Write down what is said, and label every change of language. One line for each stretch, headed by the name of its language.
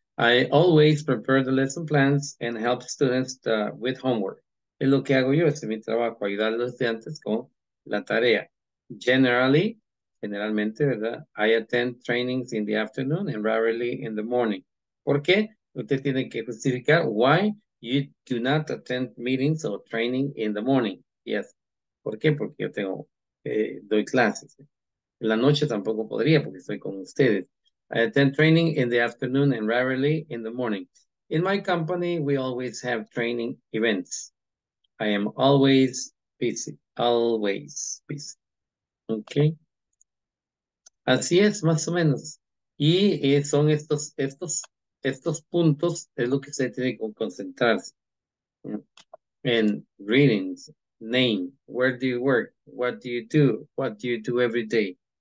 English: I always prepare the lesson plans and help students with homework.
Spanish: Es lo que hago yo, es mi trabajo, ayudar a los estudiantes con la tarea. Generalmente, ¿verdad?
English: I attend trainings in the afternoon and rarely in the morning.
Spanish: ¿Por qué? Usted tiene que justificar
English: why you do not attend meetings or training in the morning.
Spanish: Yes. ¿Por qué? Porque yo tengo, doy clases. En la noche tampoco podría porque estoy con ustedes.
English: I attend training in the afternoon and rarely in the morning. In my company, we always have training events. I am always busy. Always busy. Okay.
Spanish: Así es, más o menos. Y son estos puntos, es lo que se tiene que concentrarse.
English: En greetings, name, where do you work, what do you do every day.